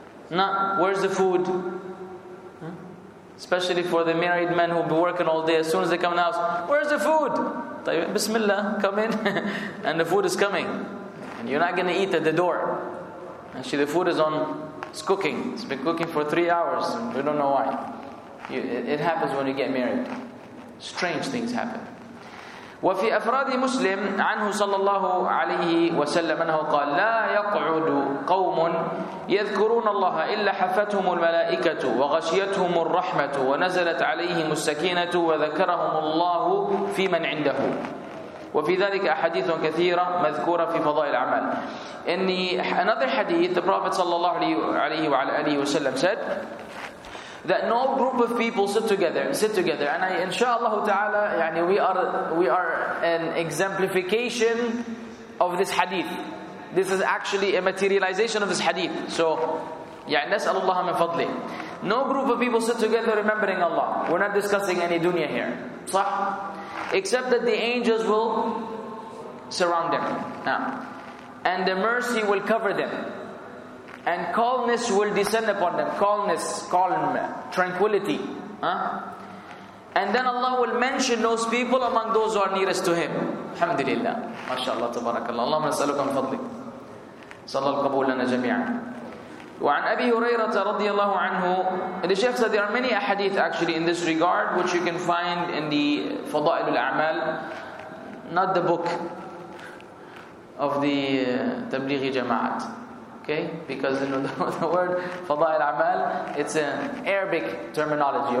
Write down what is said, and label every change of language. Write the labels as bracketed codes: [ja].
[en] Nah, where's the food? Especially for the married men who've been working all day, as soon as they come in the house, where's the food? Bismillah, come in. And the food is coming. And you're not going to eat at the door. Actually, the food is on, it's cooking. It's been cooking for 3 hours. We don't know why. It happens when you get married. Strange things happen. [ar] وفي أفراد مسلم عنه صلى الله عليه وسلم أنه قال لا يقعد قوم يذكرون الله إلا حفتهم الملائكة وغشيتهم الرحمة ونزلت عليهم السكينة وذكرهم الله في من عنده وفي ذلك أحاديث كثيرة مذكورة في فضائل الأعمال. [en] إني another حديث the Prophet صلى الله عليه وعلى آله وسلم said that no group of people sit together. And I, inshallah ta'ala, يعني we are an exemplification of this hadith. This is actually a materialization of this hadith. So, [ar] يعني نسأل الله من فضله. [en] No group of people sit together remembering Allah. We're not discussing any dunya here. [ar] صح? [en] Except that the angels will surround them. Now. And the mercy will cover them. And calmness will descend upon them. Calmness, calm, tranquility. Huh? And then Allah will mention those people among those who are nearest to Him. [ar] Alhamdulillah. MashaAllah, tabarakallah. Allahumma nas'alukam fadlik. Sallallahu qabool lana jami'an. وعن أبي هريرة رضي الله عنه. [en] The Shaykh said there are many ahadith actually in this regard, which you can find in the Fada'il al-A'mal. Not the book of the Tablighi Jama'at. Okay, because you know, the word fada'il amal, it's an Arabic terminology.